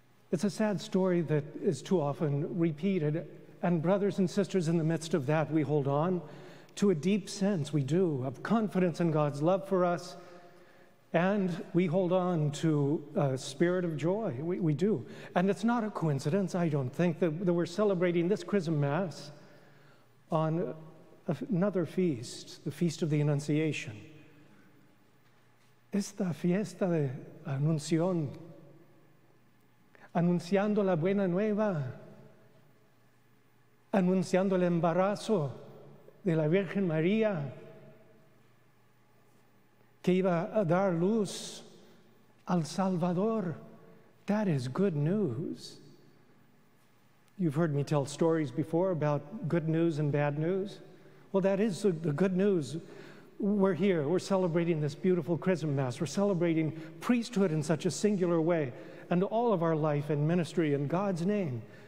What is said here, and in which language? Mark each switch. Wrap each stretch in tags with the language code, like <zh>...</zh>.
<en>It's a sad story that is too often repeated. And brothers and sisters, in the midst of that, we hold on to a deep sense, we do, of confidence in God's love for us, and we hold on to a spirit of joy, we do. And it's not a coincidence, I don't think, that we're celebrating this Chrism Mass on another feast, the Feast of the Annunciation.</en> <es>Esta fiesta de Anunción, anunciando la buena nueva, anunciando el embarazo de la Virgen María, que iba a dar luz al Salvador.</es> <en>That is good news. You've heard me tell stories before about good news and bad news. Well, that is the good news. We're here, we're celebrating this beautiful Chrism Mass. We're celebrating priesthood in such a singular way, and all of our life and ministry in God's name.</en>